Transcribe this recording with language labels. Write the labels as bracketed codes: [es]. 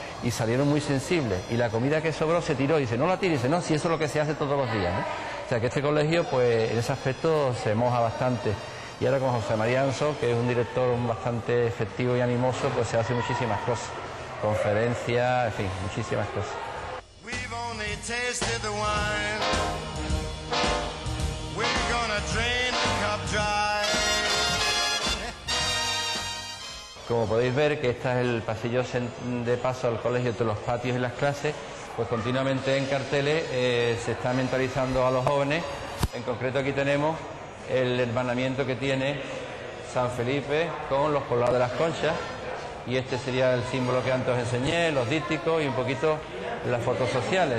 [es] Y salieron muy sensibles. Y la comida que sobró se tiró. Y dice, no la tires. Dice, no, si eso es lo que se hace todos los días, ¿no? O sea que este colegio, pues en ese aspecto se moja bastante. Y ahora con José María Anso, que es un director bastante efectivo y animoso, pues se hace muchísimas cosas. Conferencias, en fin, muchísimas cosas. [en] Tasted the wine, we're gonna drain the cup dry. [es] Como podéis ver, que este es el pasillo de paso al colegio entre los patios y las clases, pues continuamente en carteles se está mentalizando a los jóvenes. En concreto aquí tenemos el hermanamiento que tiene San Felipe con los poblados de las Conchas, y este sería el símbolo que antes os enseñé, los dísticos y un poquito las fotos sociales.